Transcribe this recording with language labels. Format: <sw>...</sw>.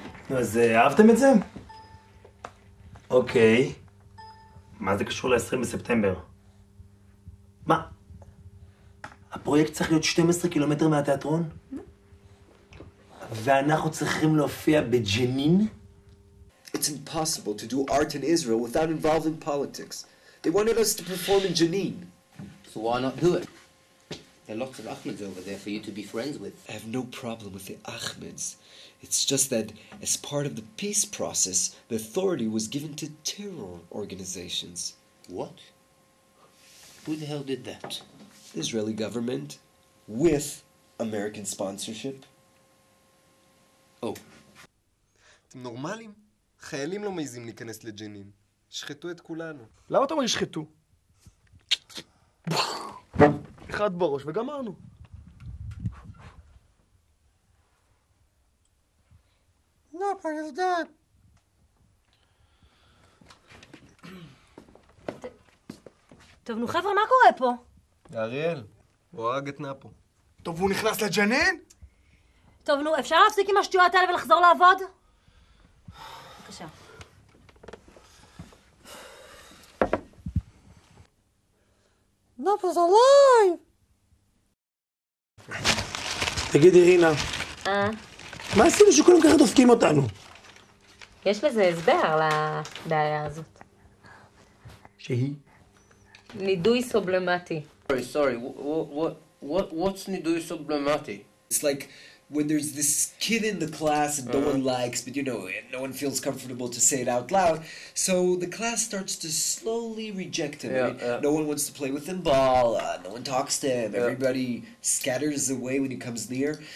<he>אז אהבתם את זה? אוקיי. מה זה קשור ל-20 בספטמבר? מה? הפרויקט צריך להיות 12 קילומטר מהתיאטרון? ואנחנו צריכים להופיע בג'נין?</he> <en>It's impossible to do art in Israel without involving politics. They wanted us to perform in Jenin. So why not do it? There are lots of Ahmeds over there for you to be friends with. I have no problem with the Ahmeds. It's just that, as part of the peace process, the authority was given to terror organizations. What? Who the hell did that? The Israeli government, with American sponsorship. Oh.</en> <he>אתם נורמלים? חיילים לא מעיזים להיכנס לג'נין. שחטו את כולנו. למה אתה אומר שחטו? אחד בראש וגמרנו. טוב, נו חבר'ה, מה קורה פה? אריאל, הוא הרג את נאפו. טוב, הוא נכנס לג'נין? טוב, נו, אפשר להפסיק עם השטויות האלה ולחזור לעבוד? בבקשה. נאפו זה עליי! תגידי, רינה. מה עשינו שכולם ככה דופקים אותנו? יש לזה הסבר לבעיה הזאת. שהיא? נידוי סובלמטי.</he> <en>Sorry, what's</en> <he>נידוי סובלמטי?</he> <en>It's like when there's this kid in the class and no one likes, but you know, no one feels comfortable to say it out loud, so the class starts to slowly reject him. No one wants to play with him ball, no one talks to him, everybody scatters away when he comes near.</en>